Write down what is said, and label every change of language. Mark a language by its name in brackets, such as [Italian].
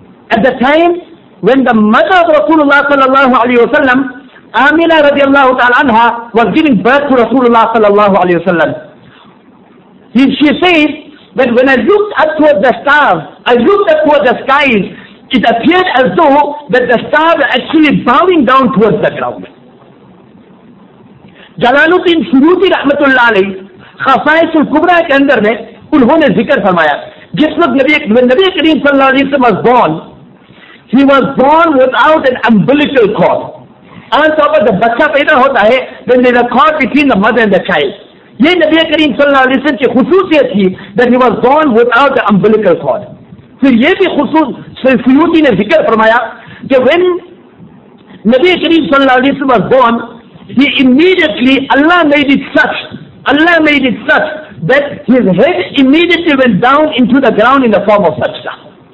[English] At the time when the mother of Rasulullah sallallahu alayhi wa sallam, Amina radiallahu ta'ala anha, was giving birth to Rasulullah sallallahu alayhi wa sallam, she says that when I looked up towards the stars, I looked up towards the skies, it appeared as though that the stars are actually bowing down towards the ground. [Urdu] Jalaluddin Suyuti rahmatullah alayhi, خصائص الکبریٰ کے اندر میں انہوں نے ذکر فرمایا جس وقت نبی کریم صلی اللہ علیہ وسلم [English] was born, he was born without an umbilical cord. [Urdu] عام طور پر جب بچہ پیدا ہوتا ہے [English] then there is a cord between the mother and the child. [Urdu] یہ نبی کریم صلی اللہ علیہ وسلم کی خصوصیت تھی [English] that he was born without the umbilical cord. [Urdu] پھر یہ بھی خصوص سیوطی نے ذکر فرمایا کہ [English] when نبی کریم صلی اللہ علیہ وسلم was born, he immediately, Allah made it such, Allah made it such that his head immediately went down into the ground in the form of sajda.